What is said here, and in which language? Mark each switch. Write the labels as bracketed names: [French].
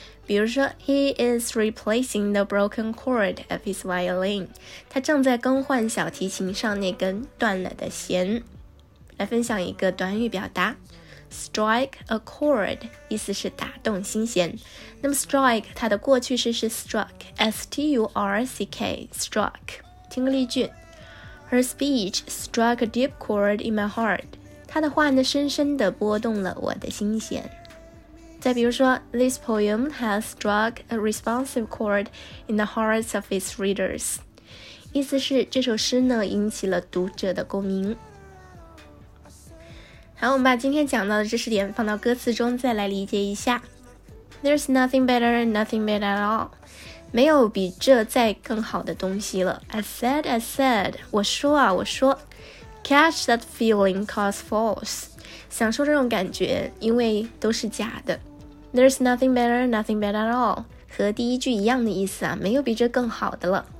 [Chinese] 比如说 [English] ,He is replacing the broken chord of his violin. [Chinese] 他正在更换小提琴上那根断了的弦。来分享一个短语表达 , [English] strike a chord, [Chinese] 意思是打动心弦。那么 strike, 它的过去式是 struck, S-T-U-R-C-K, struck. 听个例句。 [English] Her speech struck a deep chord in my heart. [Chinese] 她的话呢，深深地拨动了我的心弦。再比如说 [English] ,This poem has struck a responsive chord in the hearts of its readers. [Chinese] 意思是这首诗呢，引起了读者的共鸣。好，我们把今天讲到的知识点放到歌词中再来理解一下。 [English] There's nothing better and nothing bad at all. [Chinese] 没有比这再更好的东西了。 [English] I said, [Chinese] 我说啊，我说。 [English] Catch that feeling cause false. [Chinese] 享受这种感觉，因为都是假的。 [English] There's nothing better, nothing bad at all. [Chinese] 和第一句一样的意思啊，没有比这更好的了。